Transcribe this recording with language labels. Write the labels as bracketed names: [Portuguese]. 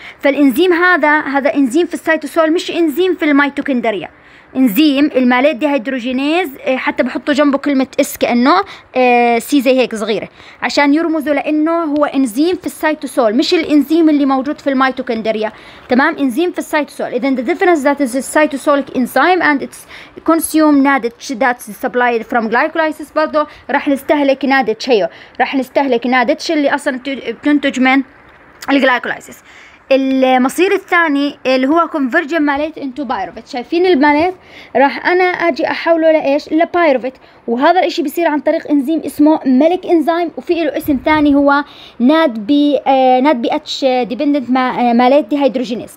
[Arabic] فالانزيم هذا هذا انزيم في السيتوسول، مش انزيم في الميتوكوندريا. انزيم المالات ديهيدروجينيز، حتى بحطوا جنبه كلمه اس كانه سي زي هيك صغيره عشان يرمزوا لانه هو انزيم في السيتوسول، مش الانزيم اللي موجود في الميتوكوندريا. تمام، انزيم في السيتوسول. [English] اذا the difference that is a cytosolic enzyme and it's consume NADH that is supplied from glycolysis. [Arabic] برضه راح نستهلك NADH، هيو راح نستهلك NADH اللي اصلا بتنتج من الجلايكوليسيس. المصير الثاني اللي هو [English] convergent malate into pyruvate. [Arabic] شايفين الملاث راح انا اجي احوله لايش؟ لبايروفيت. وهذا الاشي بيصير عن طريق انزيم اسمه ملك انزيم، وفي له اسم ثاني هو NADPH dependent malate dehydrogenase.